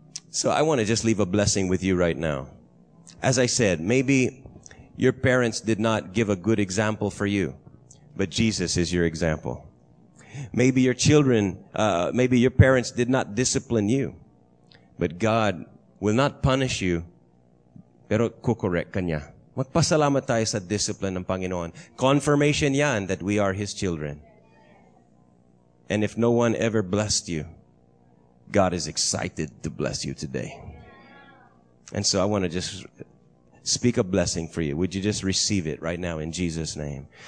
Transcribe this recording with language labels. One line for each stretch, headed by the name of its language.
English: So I want to just leave a blessing with you right now. As I said, maybe your parents did not give a good example for you, but Jesus is your example. Maybe your children, maybe your parents did not discipline you, but God will not punish you,
Filipino: pero kukorek ka niya. Magpasalamat tayo sa discipline ng Panginoon.
English: Confirmation yan that we are His children. And if no one ever blessed you, God is excited to bless you today. And so I want to just speak a blessing for you. Would you just receive it right now in Jesus' name?